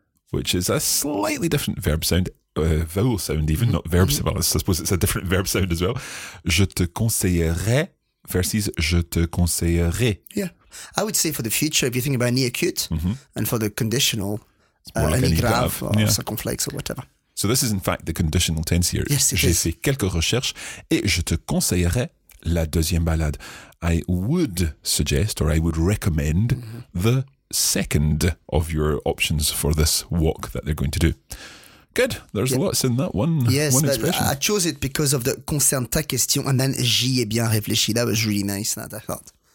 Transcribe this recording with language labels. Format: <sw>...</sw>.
<en>Which is a slightly different verb sound, vowel sound even, not verb sound. Well, I suppose it's a different verb sound as well. Je te conseillerais</en> <fr>versus je te conseillerais.</fr> <en>Yeah. I would say for the future, if you think about any acute mm-hmm. and for the conditional, like any grave or yeah. circonflex or whatever. So this is in fact the conditional tense here. Yes,</en> <fr>j'ai</fr> <en>is.</en> <fr>Fait quelques recherches et je te conseillerais la deuxième balade.</fr> <en>I would suggest or I would recommend mm-hmm. the second of your options for this walk that they're going to do. Good. There's yep. lots in that one. Yes, one expression. I chose it because of the concern ta question and then j'y ai bien réfléchi. That was really nice. That I thought.</en>